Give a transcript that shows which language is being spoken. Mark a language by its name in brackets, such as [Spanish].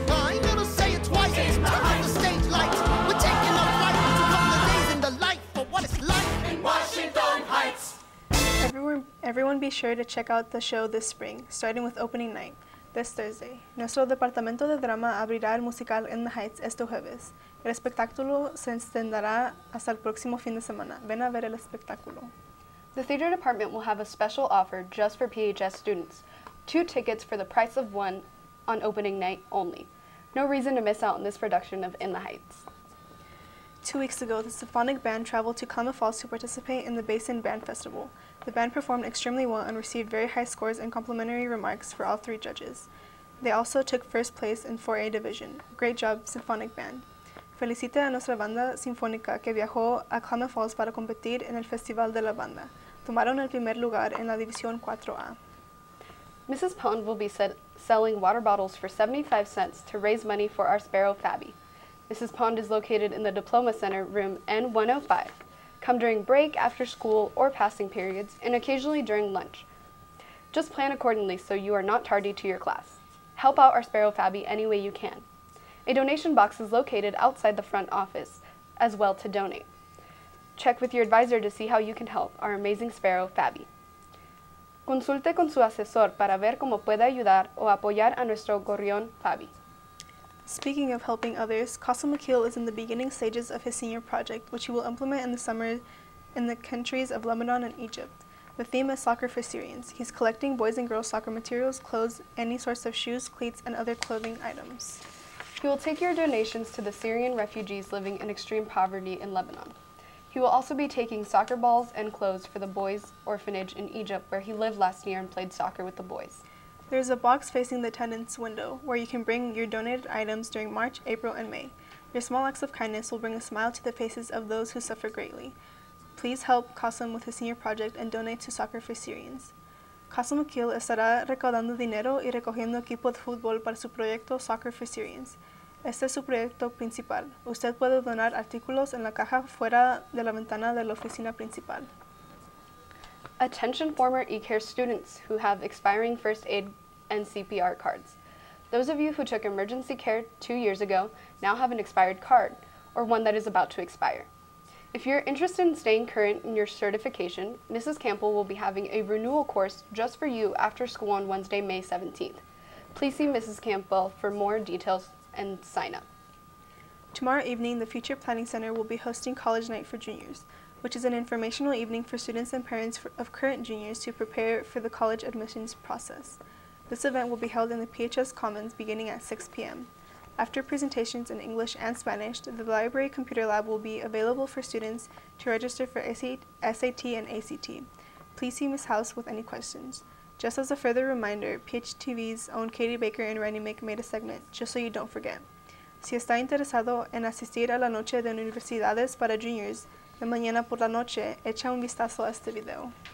[English] I'm gonna say it twice, it's turn on the stage lights. We're taking a fight to come the days in the light for what it's like in Washington Heights. Everyone be sure to check out the show this spring, starting with opening night, this Thursday. [Spanish] Nuestro departamento de drama abrirá el musical In the Heights este jueves. El espectáculo se extenderá hasta el próximo fin de semana. Ven a ver el espectáculo. [English] The theater department will have a special offer just for PHS students. Two tickets for the price of one on opening night only. No reason to miss out on this production of In the Heights. 2 weeks ago, the symphonic band traveled to Klamath Falls to participate in the Basin Band Festival. The band performed extremely well and received very high scores and complimentary remarks for all three judges. They also took first place in 4A division. Great job, symphonic band. [Spanish] Felicite a nuestra banda sinfónica que viajó a Klamath Falls para competir en el Festival de la Banda. Tomaron el primer lugar en la división 4A. [English] Mrs. Pond will be selling water bottles for 75 cents to raise money for our sparrow, Fabby. Mrs. Pond is located in the Diploma Center, room N105. Come during break, after school, or passing periods, and occasionally during lunch. Just plan accordingly so you are not tardy to your class. Help out our sparrow Fabby any way you can. A donation box is located outside the front office as well to donate. Check with your advisor to see how you can help our amazing sparrow Fabby. [Spanish] Consulte con su asesor para ver cómo puede ayudar o apoyar a nuestro gorrión Fabby. [English] Speaking of helping others, Casa McKeel is in the beginning stages of his senior project, which he will implement in the summer in the countries of Lebanon and Egypt. The theme is soccer for Syrians. He's collecting boys and girls soccer materials, clothes, any sorts of shoes, cleats, and other clothing items. He will take your donations to the Syrian refugees living in extreme poverty in Lebanon. He will also be taking soccer balls and clothes for the boys' orphanage in Egypt, where he lived last year and played soccer with the boys. There is a box facing the attendance window where you can bring your donated items during March, April, and May. Your small acts of kindness will bring a smile to the faces of those who suffer greatly. Please help Qasem with his senior project and donate to Soccer for Syrians. [Spanish] Qasem Akil estará recaudando dinero y recogiendo equipo de fútbol para su proyecto Soccer for Syrians. Este es su proyecto principal. Usted puede donar artículos en la caja fuera de la ventana de la oficina principal. [English] Attention former eCare students who have expiring first aid and CPR cards. Those of you who took emergency care 2 years ago now have an expired card, or one that is about to expire. If you're interested in staying current in your certification, Mrs. Campbell will be having a renewal course just for you after school on Wednesday, May 17th. Please see Mrs. Campbell for more details and sign up. Tomorrow evening, the Future Planning Center will be hosting College Night for Juniors, which is an informational evening for students and parents of current juniors to prepare for the college admissions process. This event will be held in the PHS Commons beginning at 6 p.m. After presentations in English and Spanish, the library computer lab will be available for students to register for SAT and ACT. Please see Ms. House with any questions. Just as a further reminder, PHTV's own Katie Baker and Randy Mick made a segment, just so you don't forget. [Spanish] Si está interesado en asistir a la noche de universidades para juniors, de mañana por la noche, echa un vistazo a este video.